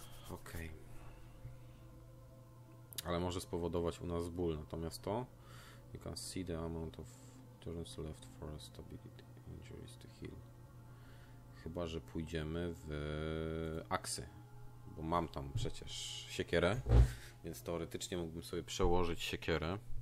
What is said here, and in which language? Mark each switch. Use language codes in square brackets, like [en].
[pl] Okej. Ale może spowodować u nas ból, natomiast to... [en] You can see the amount of turns left for a stability injuries to heal. [pl] Chyba, że pójdziemy w aksy. Bo mam tam przecież siekierę, więc teoretycznie mógłbym sobie przełożyć siekierę.